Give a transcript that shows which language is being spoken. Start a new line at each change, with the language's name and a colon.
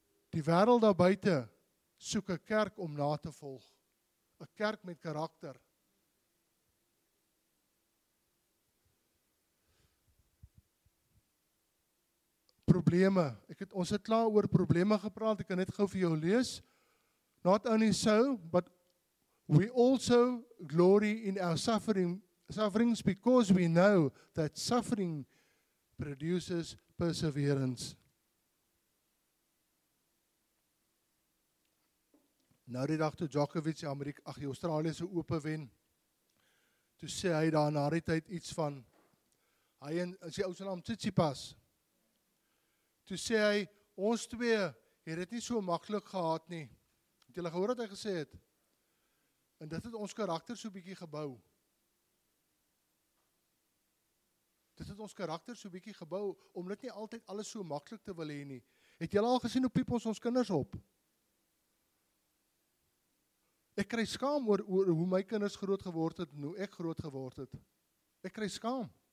Afrikaans: Die wêreld daar buite soek 'n kerk om na te volg. 'n Kerk met karakter. Probleme. Ons het klaar oor probleme gepraat. Ek kan net gou vir jou lees.
English: Not only so, but we also glory in our sufferings because we know that suffering produces perseverance.
Afrikaans: Nou die dag toe Djokovic die Australiese Ope wen, toe sê hy daar na die tyd iets van, hy en sy ou se naam Tsitsipas, toe sê hy, ons twee het dit nie so maklik gehad nie. Het julle gehoor wat hy gesê het? En dit het ons karakter so 'n bietjie gebou. Dit het ons karakter so bietjie gebou om dit nie altyd alles so maklik te wil hê nie. Het julle al gesien hoe piep ons ons kinders op? Ek kry skaam oor hoe my kinders groot geword het en hoe ek groot geword het. Ek kry skaam.